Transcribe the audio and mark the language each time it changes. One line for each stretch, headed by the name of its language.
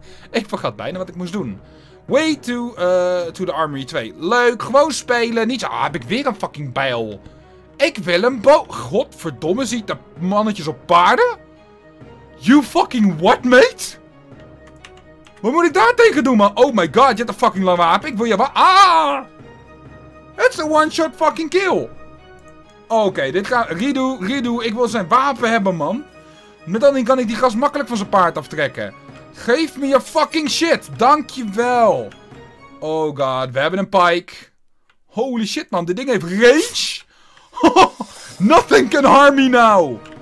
Dutch: Ik vergat bijna wat ik moest doen.
English: Way to the armory 2.
Dutch: Leuk, gewoon spelen. Niet zo, ah, heb ik weer een fucking bijl. Ik wil een boog. Godverdomme, ziet de mannetjes op paarden?
English: You fucking what, mate?
Dutch: Wat moet ik daar tegen doen, man? Oh my god, je hebt een fucking lang wapen. Ik wil je wat. Ah!
English: It's a one-shot fucking kill.
Dutch: Oké, dit gaat. Redo. Ik wil zijn wapen hebben, man. Met dan kan ik die gast makkelijk van zijn paard aftrekken. Geef me je fucking shit. Dankjewel. Oh god, we hebben een pike.
English: Holy shit, man.
Dutch: Dit ding heeft range.
English: Nothing can harm me now.